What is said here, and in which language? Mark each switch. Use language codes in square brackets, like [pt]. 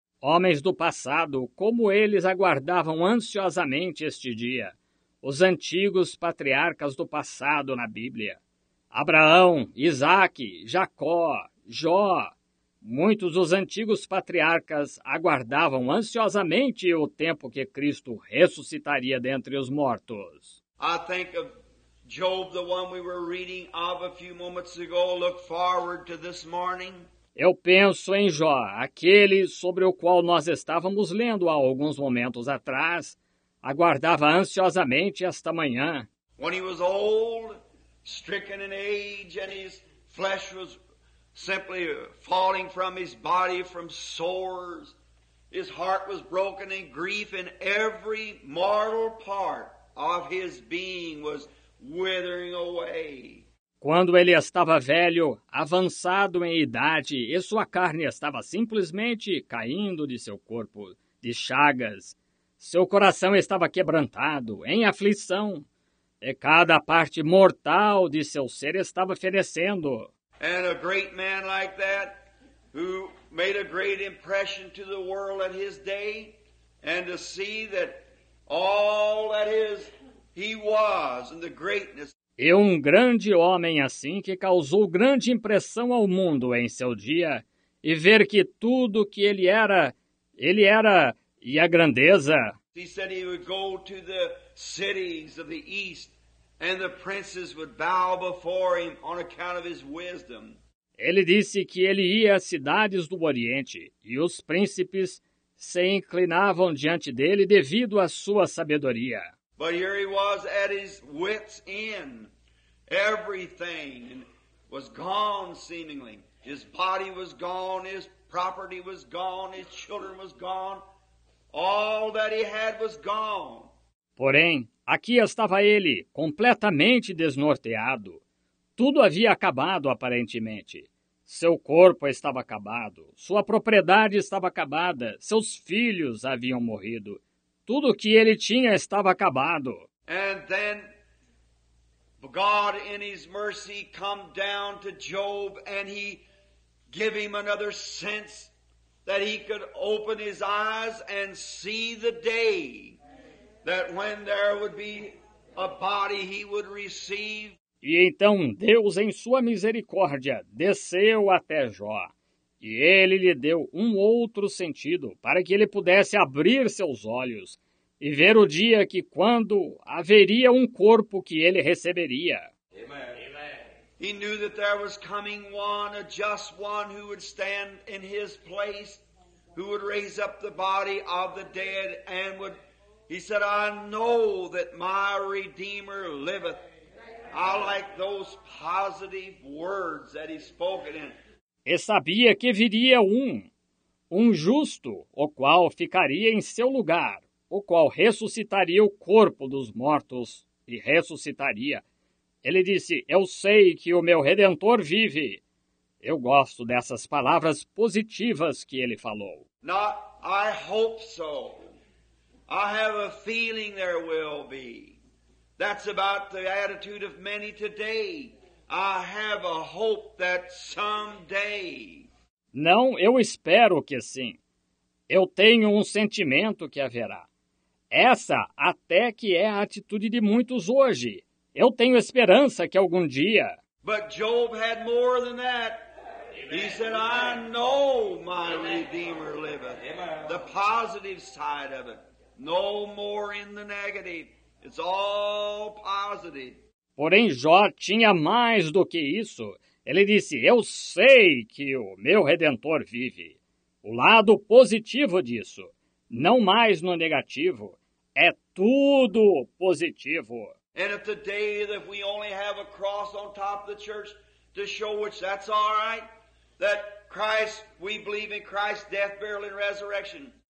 [pt] Homens do passado, como eles aguardavam ansiosamente este dia. Os antigos patriarcas do passado na Bíblia. Abraão, Isaac, Jacó, Jó. Muitos dos antigos patriarcas aguardavam ansiosamente o tempo que Cristo ressuscitaria dentre os mortos. [en] I think of Job, the one we were reading of a few moments ago, look forward to this morning. [pt] Eu penso em Jó, aquele sobre o qual nós estávamos lendo há alguns momentos atrás, aguardava ansiosamente esta manhã. [en] When he was old, stricken in age, and his flesh was simply falling from his body from sores, his heart was broken in grief, and every mortal part of his being was withering away. [pt] Quando ele estava velho, avançado em idade, e sua carne estava simplesmente caindo de seu corpo, de chagas, seu coração estava quebrantado, em aflição, e cada parte mortal de seu ser estava fenecendo. [en] And a great man like that, who made a great impression to the world at his day, and to see that all that is, he was, and the greatness. [pt] E um grande homem assim que causou grande impressão ao mundo em seu dia, e ver que tudo que ele era, e a grandeza. [en] He said he would go to the cities of the east, and the princes would bow before him on account of his wisdom. [pt] Ele disse que ele ia às cidades do Oriente, e os príncipes se inclinavam diante dele devido à sua sabedoria. [en] But here he was at his wit's end. Everything was gone seemingly. His body was gone, his property was gone, his children was gone. All that he had was gone. [pt] Porém, aqui estava ele, completamente desnorteado. Tudo havia acabado aparentemente. Seu corpo estava acabado, sua propriedade estava acabada, seus filhos haviam morrido. Tudo o que ele tinha estava acabado. [en] And then God in his mercy come down to Job and he give him another sense that he could open his eyes and see the day that when there would be a body he would receive. [pt] E então Deus em sua misericórdia desceu até Jó. E ele lhe deu um outro sentido para que ele pudesse abrir seus olhos e ver o dia que quando haveria um corpo que ele receberia. [en] He knew that there was coming one, a just one, who would stand in his place, who would raise up the body of the dead, and would, he said, I know that my Redeemer liveth. I like those positive words that he spoke in. [pt] E sabia que viria um justo, o qual ficaria em seu lugar, o qual ressuscitaria o corpo dos mortos e ressuscitaria. Ele disse, eu sei que o meu Redentor vive. Eu gosto dessas palavras positivas que ele falou. [en] Not, I hope so. I have a feeling there will be. That's about the attitude of many today. I have a hope that someday. [pt] Não, eu espero que sim. Eu tenho um sentimento que haverá. Essa até que é a atitude de muitos hoje. Eu tenho esperança que algum dia. [en] But Job had more than that. Amen. He said, I know my Amen. Redeemer liveth. Amen. The positive side of it. No more in the negative. It's all positive. [pt] Porém, Jó tinha mais do que isso. Ele disse, eu sei que o meu Redentor vive. O lado positivo disso, não mais no negativo, é tudo positivo. [en] And if the day that we only have a cross on top of the church to show which that's all right, that Christ, we believe in Christ's death, burial, and resurrection.